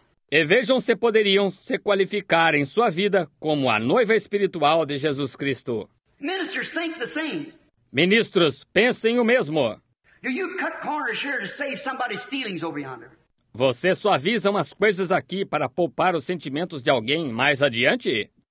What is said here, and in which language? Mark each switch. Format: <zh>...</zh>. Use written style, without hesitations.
<pt>E vejam se poderiam se qualificar em sua vida como a noiva espiritual de Jesus Cristo.</pt> <en>Ministers, think the same.</en> <pt>Ministros, pensem o mesmo.</pt> <en>Do you cut corners here to save somebody's feelings over yonder?</en> <pt>Você suaviza umas coisas aqui para poupar os sentimentos de alguém mais adiante?</pt>